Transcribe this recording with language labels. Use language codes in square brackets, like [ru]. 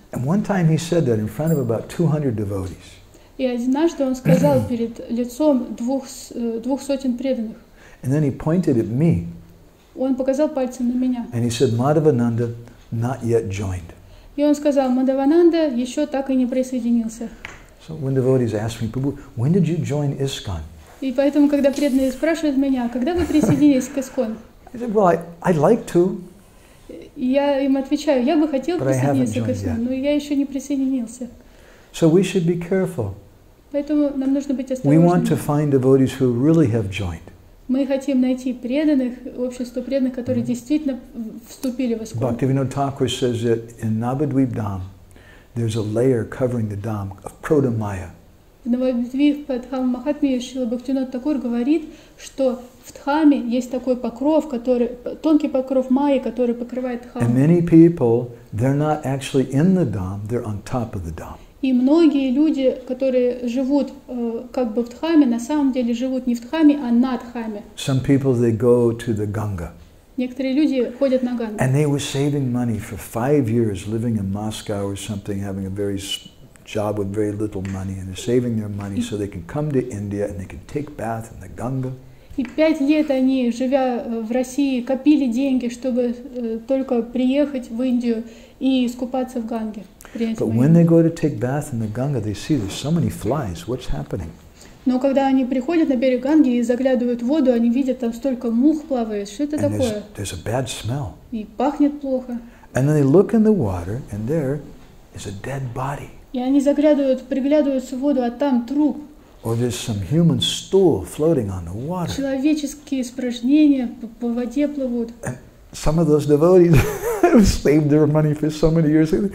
[en] And one time he said that in front of about 200 devotees. [ru] И однажды он сказал перед лицом двух сотен преданных. [en] And then he pointed at me. [ru] Он показал пальцем на меня. [en] And he said, Madhavananda not yet joined. [ru] И он сказал, Мадхавананда еще так и не присоединился. [en] So when devotees ask me, Prabhu, when did you join ISKCON? [ru] И поэтому, когда преданные спрашивают меня, когда вы присоединились к ISKCON? [en] I said, well, I'd like to. [ru] Я им отвечаю, я бы хотел присоединиться к ISKCON, но я еще не присоединился. [en] So we should be careful. [ru] Поэтому нам нужно быть осторожными. [en] We want to find devotees who really have joined. [ru] Мы хотим найти преданных, общество преданных, которые действительно вступили в ISKCON. [en] Bhaktivinoda Thakur says that in Navadvip Dham, there's a layer covering the Dham of Proto-Maya. [ru] Навадвипа Дхам Махатмия Шрила Бхактивинода Такур говорит, что в Дхаме есть такой покров, который тонкий покров Майи, который покрывает Дхаму. [en] And many people, they're not actually in the Dham, they're on top of the Dham. [ru] И многие люди, которые живут как бы в Дхаме, на самом деле живут не в Дхаме, а на Дхаме. [en] Some people, they go to the Ganga. [ru] Некоторые люди ходят на Гангу. [en] And they were saving money for 5 years, living in Moscow or something, having a very job with very little money, and they're saving their money so they can come to India and they can take bath in the Ganga. [ru] И 5 лет они, живя в России, копили деньги, чтобы только приехать в Индию и искупаться в Ганге. [en] But when they go to take bath in the Ganga, they see there's so many flies. What's happening? [ru] Но когда они приходят на берег Ганги и заглядывают в воду, они видят там столько мух плавает. Что это такое? [en] There's a bad smell. [ru] И пахнет плохо. [en] And then they look in the water, and there is a dead body. [ru] И они заглядывают, приглядываются в воду, а там труп. [en] Or there's some human stool floating on the water. [ru] Человеческие испражнения по воде плывут. [en] And some of those devotees have saved their money for so many years.